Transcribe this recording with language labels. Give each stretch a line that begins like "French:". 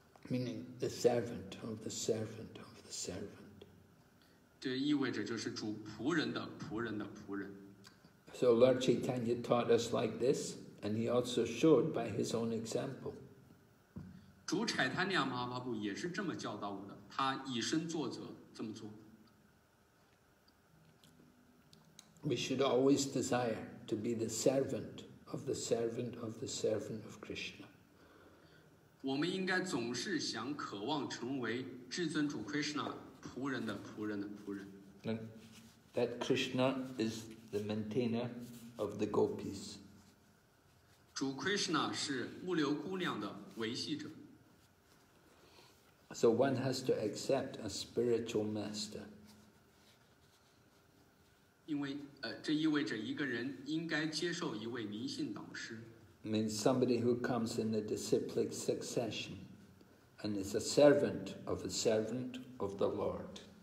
English: Meaning the servant of the servant of the servant.
Chinese: 这意味着就是主仆人的仆人的仆人。
English: So Lord Chaitanya taught us like this, and he also showed by his own example.
Chinese: 主柴坦尼亚马哈巴布也是这么教导我的，他以身作则这么做。
English: We should always desire to be the servant of the servant of the servant of Krishna.
Chinese: 我们应该总是想渴望成为至尊主 Krishna 仆人的仆人的仆人。
English: And that Krishna is the maintainer of the gopis.
Chinese: 主 Krishna 是牧牛姑娘的维系者。
English: So one has to accept a spiritual master.
Chinese: 因为这意味着一个人应该接受一位灵性导师。
English: Means somebody who comes in the disciplic succession and is a servant of a servant of the Lord.